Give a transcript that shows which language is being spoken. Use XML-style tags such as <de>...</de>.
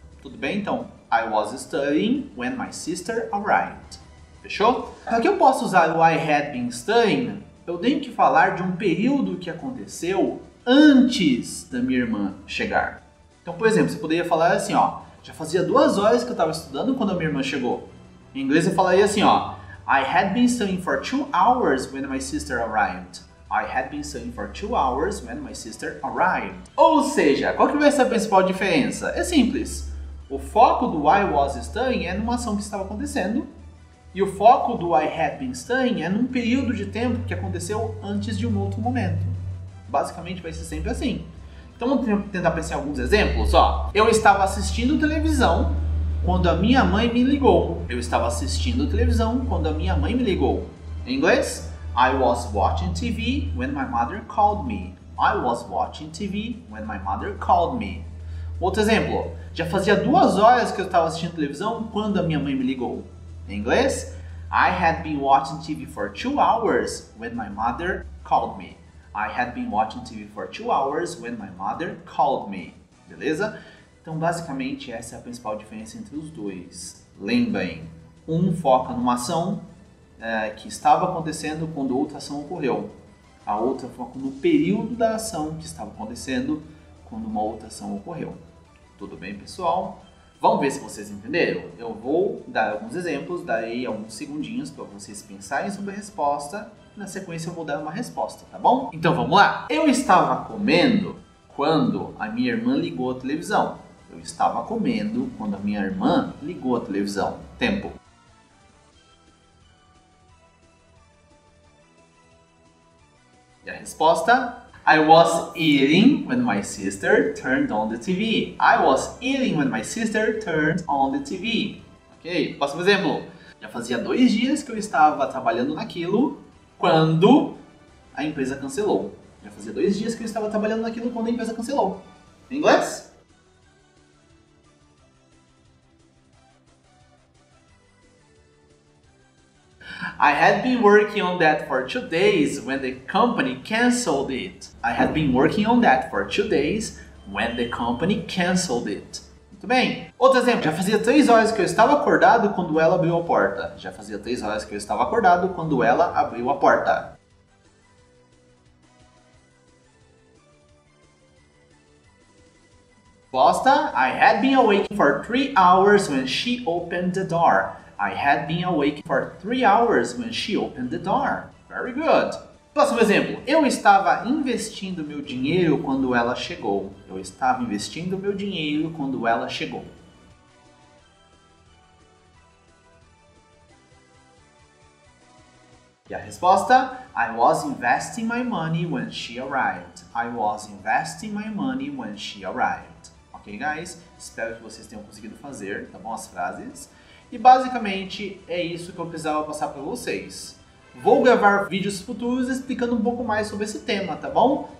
<pt>Tudo bem, então?</pt> <en>I was studying when my sister arrived.</en> <pt>Fechou? Para que eu posso usar o</pt> <en>I had been studying,</en> <pt>eu tenho que falar de um período que aconteceu antes da minha irmã chegar. Então, por exemplo, você poderia falar assim, ó, já fazia 2 horas que eu estava estudando quando a minha irmã chegou. Em inglês eu falaria assim, ó,</pt> <en>I had been studying for 2 hours when my sister arrived. I had been studying for 2 hours when my sister arrived.</en> <pt>Ou seja, qual que vai ser a principal diferença? É simples. O foco do</pt> <en>I was studying</en> <pt>é numa ação que estava acontecendo. E o foco do</pt> <en>I had been studying</en> <pt>é num período de tempo que aconteceu antes de um outro momento. Basicamente vai ser sempre assim. Então vamos tentar pensar em alguns exemplos, ó. Eu estava assistindo televisão quando a minha mãe me ligou. Eu estava assistindo televisão quando a minha mãe me ligou. Em inglês,</pt> <en>I was watching TV when my mother called me. I was watching TV when my mother called me.</en> <pt>Outro exemplo, já fazia 2 horas que eu estava assistindo televisão quando a minha mãe me ligou. Em inglês,</pt> <en>I had been watching TV for 2 hours when my mother called me. I had been watching TV for 2 hours when my mother called me.</en> <pt>Beleza? Então, basicamente, essa é a principal diferença entre os dois. Lembrem, um foca numa ação que estava acontecendo quando outra ação ocorreu. A outra foca no período da ação que estava acontecendo quando uma outra ação ocorreu. Tudo bem, pessoal? Vamos ver se vocês entenderam. Eu vou dar alguns exemplos, darei alguns segundinhos para vocês pensarem sobre a resposta. Na sequência eu vou dar uma resposta, tá bom? Então vamos lá. Eu estava comendo quando a minha irmã ligou a televisão. Eu estava comendo quando a minha irmã ligou a televisão. Tempo. E a resposta?</pt> <en>I was eating when my sister turned on the TV. I was eating when my sister turned on the TV.</en> <pt>Ok, próximo exemplo. Já fazia 2 dias que eu estava trabalhando naquilo quando a empresa cancelou. Já fazia 2 dias que eu estava trabalhando naquilo quando a empresa cancelou. Em inglês?</pt> <en>I had been working on that for 2 days when the company canceled it. I had been working on that for 2 days when the company canceled it.</en> <pt>Muito bem. Outro exemplo. Já fazia 3 horas que eu estava acordado quando ela abriu a porta. Já fazia 3 horas que eu estava acordado quando ela abriu a porta. Resposta.</pt> <en>I had been awake for 3 hours when she opened the door. I had been awake for 3 hours when she opened the door. Very good.</en> <pt>Próximo exemplo. Eu estava investindo meu dinheiro quando ela chegou. Eu estava investindo meu dinheiro quando ela chegou. E a resposta?</pt> <en>I was investing my money when she arrived. I was investing my money when she arrived. Ok, guys?</en> <pt>Espero que vocês tenham conseguido fazer, tá bom, as frases. E basicamente é isso que eu precisava passar para vocês. Vou gravar vídeos futuros explicando um pouco mais sobre esse tema, tá bom?</pt>